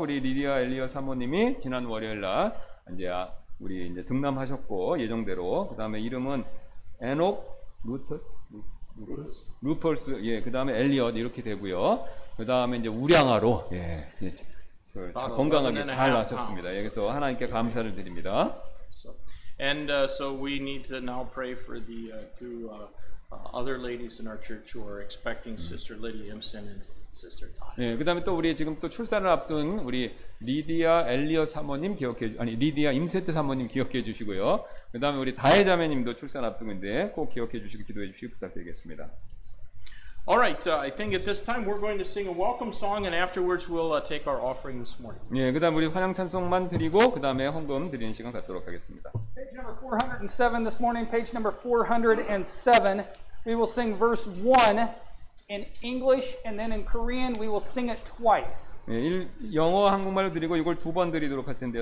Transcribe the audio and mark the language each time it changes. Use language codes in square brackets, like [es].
[ko] 우리 리디아 엘리어 사모님이 지난 월요일 날 이제 우리 이제 등남하셨고 예정대로 그 다음에 이름은 에녹 루퍼스 예, 그 다음에 엘리엇 이렇게 되고요. 그 다음에 이제 우량아로 예, 이제 건강하게 잘 나셨습니다. 예, 그래서 하나님께 감사를 드립니다. [en] And so we need to now pray for the two. Other ladies in our church who are expecting Sister Lydia Imsen and Sister Todd. [ko] 네, 그다음에 또 우리 지금 또 출산을 앞둔 우리 리디아 엘리어 사모님 기억해 아니 리디아 임세트 사모님 기억해 주시고요. 그다음에 우리 다혜 자매님도 출산 앞둔인데 꼭 기억해 주시고 기도해 주시고 부탁드리겠습니다. [en] All right, I think at this time we're going to sing a welcome song, and afterwards we'll take our offering this morning. [ko] 네, 그다음 우리 환영 찬송만 드리고 그다음에 헌금 드리는 시간 갖도록 하겠습니다. [en] Page number 407 this morning. Page number 407. We will sing verse 1 in English and then in Korean we will sing it twice. [ko] 예, 영어 한국말로 드리고 이걸 두 번 드리도록 할 텐데요.